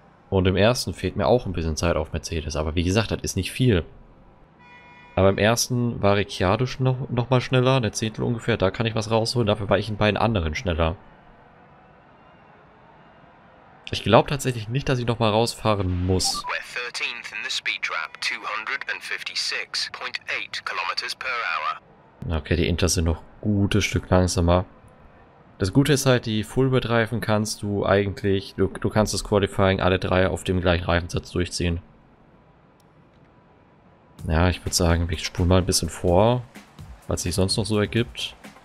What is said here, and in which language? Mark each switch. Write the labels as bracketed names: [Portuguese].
[German] Und im ersten fehlt mir auch ein bisschen Zeit auf Mercedes, aber wie gesagt, das ist nicht viel. Aber im ersten war Ricciardo noch mal schneller, eine Zehntel ungefähr, da kann ich was rausholen, dafür war ich in beiden anderen schneller. Ich glaube tatsächlich nicht, dass ich nochmal rausfahren muss. [English] We're 13th in the speed trap, 256.8 kilometers per hour. [German] Okay, die Inter sind noch ein gutes Stück langsamer. Das Gute ist halt, die Full-Bird-Reifen kannst du eigentlich, du kannst das Qualifying alle drei auf dem gleichen Reifensatz durchziehen. Ja, ich würde sagen, ich spule mal ein bisschen vor, was sich sonst noch so ergibt.